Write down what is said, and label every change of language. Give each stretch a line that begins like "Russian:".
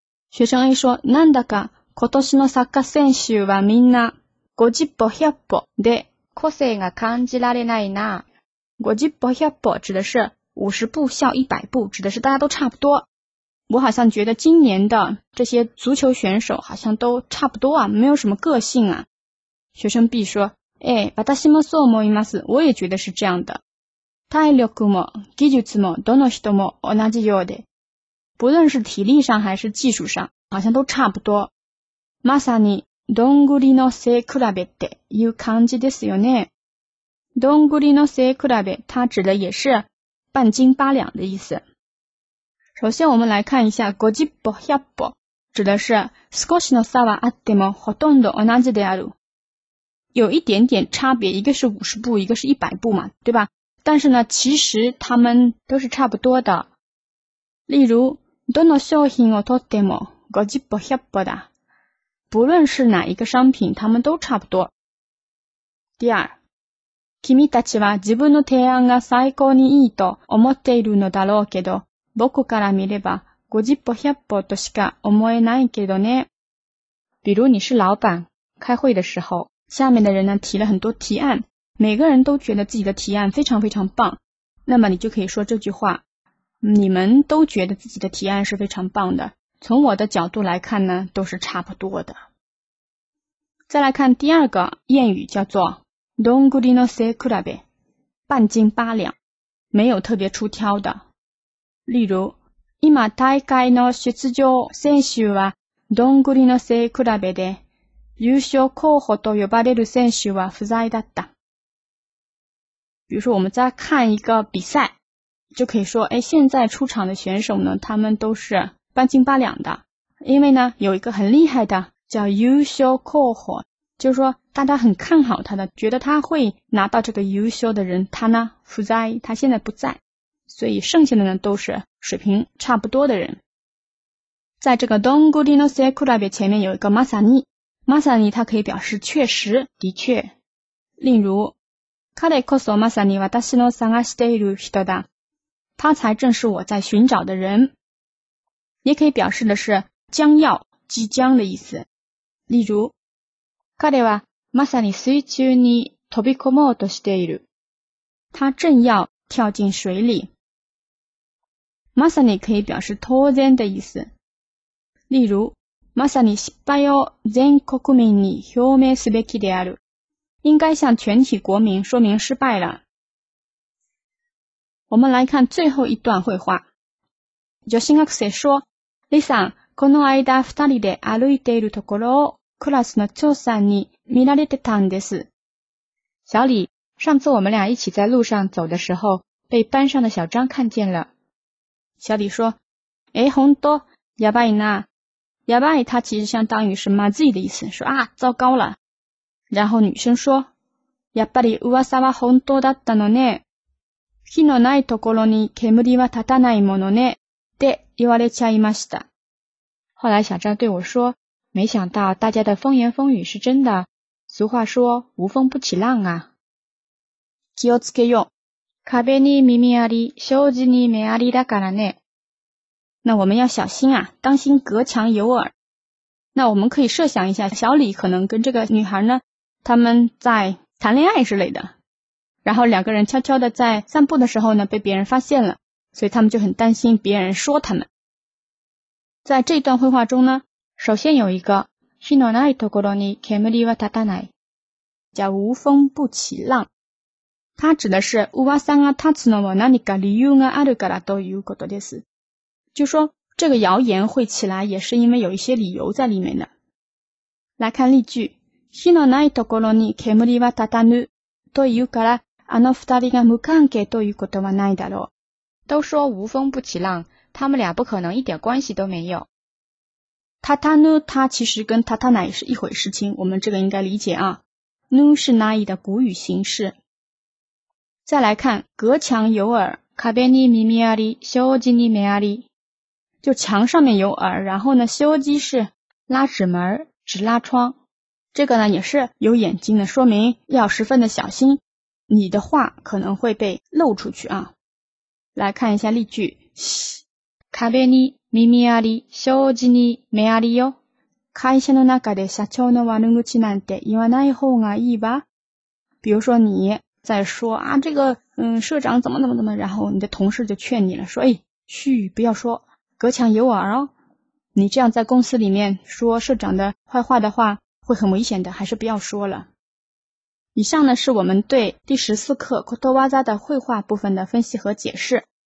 Chinese: 学生 A 说
Japanese: なんだか今年のサッカー選手はみんな50歩100歩で個性が感じられないな。
Chinese: 50歩100歩指的是50步笑100步，指的是大家都差不多。我好像觉得今年的这些足球选手好像都差不多啊，没有什么个性啊。学生 B 说
Japanese: 哎，私もそう思います，
Chinese: 我也觉得是这样的。
Japanese: 体力も技術もどの人も同じようで，
Chinese: 不论是体力上还是技术上好像都差不多。
Japanese: まさにどんぐりの背比べっていう感じですよね。どんぐりの背比べ，
Chinese: 它指的也是半斤八两的意思。首先我们来看一下ごじっぽひゃっぽ，指的是
Japanese: 少しの差はあってもほとんど同じである，
Chinese: 有一点点差别，一个是50步一个是100步嘛，对吧，但是呢其实他们都是差不多的。例如
Japanese: どの商品をとっても50歩100歩だ，
Chinese: 不论是哪一个商品他们都差不多。第二
Japanese: 君たちは自分の提案が最高にいいと思っているのだろうけど僕から見れば50歩100歩としか思えないけどね。
Chinese: 比如你是老板，开会的时候下面的人呢提了很多提案，每个人都觉得自己的提案非常非常棒，那么你就可以说这句话，你们都觉得自己的提案是非常棒的，从我的角度来看呢都是差不多的。再来看第二个谚语叫做どんぐりの背比べ，半斤八两，没有特别出挑的。例如
Japanese: 今大会の出場選手はどんぐりの背比べで優勝候補と呼ばれる選手は不在だった。
Chinese: 比如说我们再看一个比赛，就可以说哎，现在出场的选手呢他们都是半斤八两的，因为呢有一个很厉害的叫优秀候补，就是说大家很看好他的，觉得他会拿到这个优秀的人，他呢不在，他现在不在，所以剩下的呢都是水平差不多的人。在这个どんぐりの背比べ前面有一个まさに，まさに它可以表示确实的确。例如
Japanese: 彼こそまさに私の探している人だ，
Chinese: 他才正是我在寻找的人，也可以表示的是将要即将的意思。例如
Japanese: 彼はまさに水中に飛び込もうとしている，
Chinese: 他正要跳进水里。まさに可以表示当然的意思。例如
Japanese: まさに失敗を全国民に表明すべきである，
Chinese: 应该向全体国民说明失败了。我们来看最后一段绘画。女子学生说
Japanese: 李さん、この間二人で歩いているところをクラスの長さんに見られてたんです。
Chinese: 小李，上次我们俩一起在路上走的时候被班上的小张看见了。小李说
Japanese: 本当、やばいな。
Chinese: やばい他其实相当于是まずい的意思，说啊，糟糕了。然后女生说
Japanese: やっぱり噂は本当だったのね。火のないところに煙は立たないものね。で、言われちゃいました。
Chinese: 后来小张对我说，没想到大家的风言风语是真的。俗话说，无风不起浪啊。
Japanese: 気をつけよう。壁に耳あり、障子に目ありだからね。
Chinese: 那我们要小心啊，当心隔墙有耳。那我们可以设想一下，小李可能跟这个女孩呢，他们在谈恋爱之类的。然后两个人悄悄地在散步的时候呢被别人发现了，所以他们就很担心别人说他们。在这段绘画中呢，首先有一个
Japanese: 火のないところに煙は立たない，
Chinese: 叫无风不起浪。它指的是乌瓦桑啊，它只能我那里个理由啊，阿鲁格拉都有过多的事。就说这个谣言会起来，也是因为有一些理由在里面的。来看例句，
Japanese: 火のないところに煙は立たぬというから、あの二人が無関係ということはないだろう。
Chinese: 都说无风不起浪，他们俩不可能一点关系都没有。榻榻呢，它其实跟榻榻奶是一回事情，我们这个应该理解啊。呢是奈的古语形式。再来看隔墙有耳，
Japanese: 壁に耳あり、障子に目あり，
Chinese: 就墙上面有耳，然后呢，障子是拉纸门，纸拉窗，这个呢也是有眼睛的，说明要十分的小心，你的话可能会被漏出去啊。来看一下例句，
Japanese: 壁に耳あり、障子に目ありよ。会社の中で社長の悪口なんて言わない方がいいわ。
Chinese: 比如说你在说啊，这个社长怎么怎么怎么，然后你的同事就劝你了，说哎，嘘，不要说，隔墙有耳哦。你这样在公司里面说社长的坏话的话，会很危险的，还是不要说了。以上呢是我们对第十四课ことわざ的绘画部分的分析和解释。